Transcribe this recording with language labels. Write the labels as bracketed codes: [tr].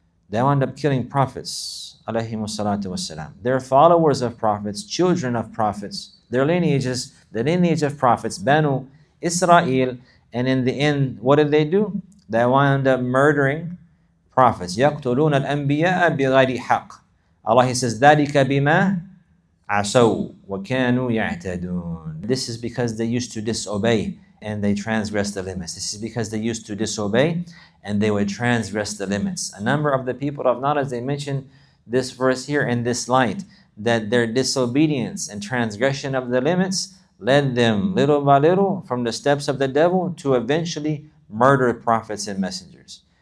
[en] They wind up killing prophets, alayhimu salatu wassalam. They're followers of prophets, children of prophets, their lineages, the lineage of prophets, Banu Israel. And in the end, what did they do? They wind up murdering prophets. [ar] يَقْتُلُونَ الْأَنْبِيَاءَ بِغَيْرِ حَقٍّ. [en] Allah, He says, [ar] ذَلِكَ بِمَا عَسَوْا وَكَانُوا يَعْتَدُونَ. [en] This is because they used to disobey and they transgressed the limits. This is because they used to disobey and they would transgress the limits. A number of the people of knowledge, they mention this verse here in this light, that their disobedience and transgression of the limits led them little by little from the steps of the devil to eventually murder prophets and messengers.